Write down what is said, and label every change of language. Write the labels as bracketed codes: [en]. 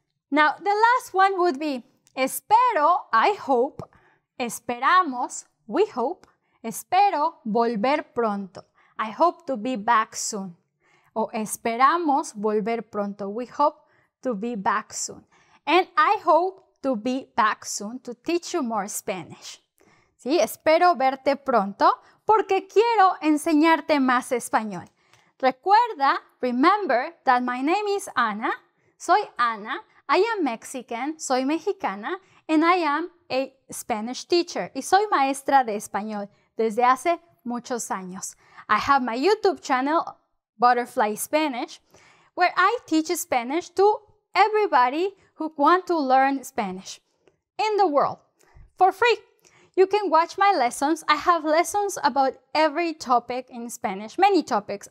[en] Now, the last one would be, espero, I hope, esperamos, we hope, [es] espero volver pronto. [en] I hope to be back soon. [es] O esperamos volver pronto. [en] We hope to be back soon. And I hope to be back soon to teach you more Spanish. [es] Sí, espero verte pronto porque quiero enseñarte más español. [en] Recuerda, remember that my name is Ana. [es] Soy Ana. [en] I am Mexican. [es] Soy mexicana. [en] And I am a Spanish teacher. [es] Y soy maestra de español desde hace muchos años. [en] I have my YouTube channel, Butterfly Spanish, where I teach Spanish to everybody who want to learn Spanish in the world for free. You can watch my lessons. I have lessons about every topic in Spanish, many topics.